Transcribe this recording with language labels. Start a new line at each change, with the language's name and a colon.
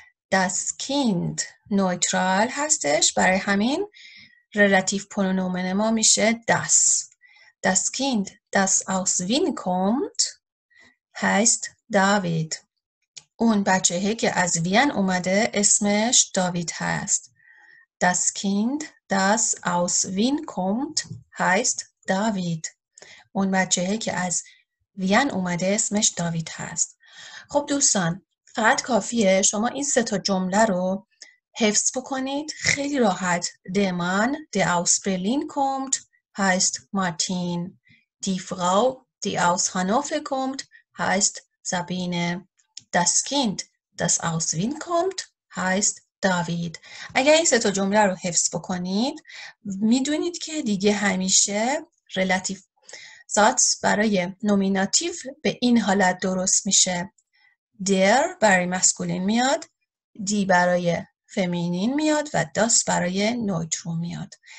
German: Das Kind
Persian: نویترال هستش، برای همین ریلاتیو پرونومن ما میشه das.
German: Das Kind, das aus Wien kommt, heißt David.
Persian: اون بچه که از وین اومده اسمش داوید هست.
German: Das Kind, das aus Wien kommt, heißt David.
Persian: اون بچه که از وین اومده اسمش داوید هست. خب دوستان، فقط کافیه شما این سه تا جمله رو حفظ بکنید. خیلی راحت:
German: Der Mann, der aus Berlin kommt, heißt Martin. Die Frau, die aus Hannover kommt, heißt Sabine. Das Kind, das aus Wien kommt, heißt David.
Persian: اگر این سه تا جمله رو حفظ بکنید، میدونید که دیگه همیشه ریلاتیو زدس برای نومیناتیو به این حالت درست میشه. Der برای مسکولین میاد، دی برای فمینین میاد و داس برای نویترو میاد.